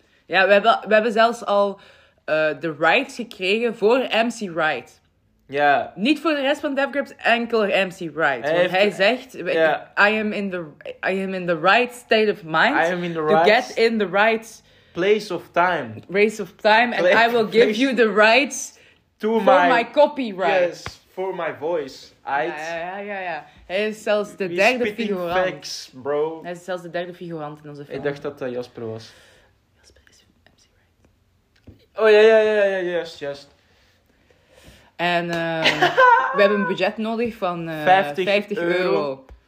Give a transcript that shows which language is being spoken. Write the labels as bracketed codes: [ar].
[nl] Ja, we hebben zelfs al de rights gekregen voor MC Wright. Ja. [en] Yeah. [nl] Niet voor de rest van Dev Grips, enkel MC Wright. Hij zegt, [en] yeah. I am in the right state of mind. I am in the to right... To get in the right... Place of time. Race of time. And I will give you the rights... To for my copyright. Yes, for my voice. [nl] Ja. Hij is zelfs de derde figurant. [en] Facts, bro. [nl] Hij is zelfs de derde figurant in onze film. Ik dacht dat dat Jasper was. Jasper is MC Wright. Oh, ja, juist. En we hebben een budget nodig van 50 euro.